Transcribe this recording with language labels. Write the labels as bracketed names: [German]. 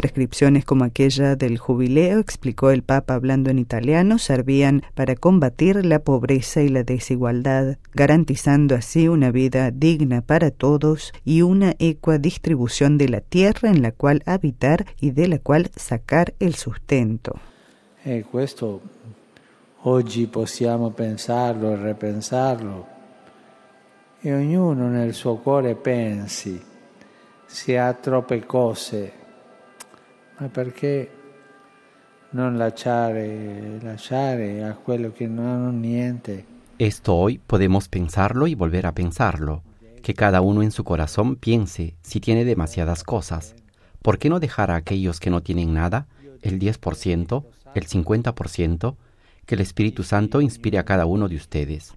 [Spanish] Prescripciones como aquella del jubileo, explicó el Papa hablando en italiano, servían para combatir la pobreza y la desigualdad, garantizando así una vida digna para todos y una ecua distribución de la tierra en la cual habitar y de la cual sacar el sustento. Esto, [Italian] oggi possiamo pensarlo e repensarlo, e ognuno nel suo cuore pensi. Se ha troppe cose, ma perché non lasciare a quello che non ha niente? [Spanish] Esto hoy podemos pensarlo y volver a pensarlo, que cada uno en su corazón piense si tiene demasiadas cosas. ¿Por qué no dejar a aquellos que no tienen nada, el 10%, el 50%, que el Espíritu Santo inspire a cada uno de ustedes?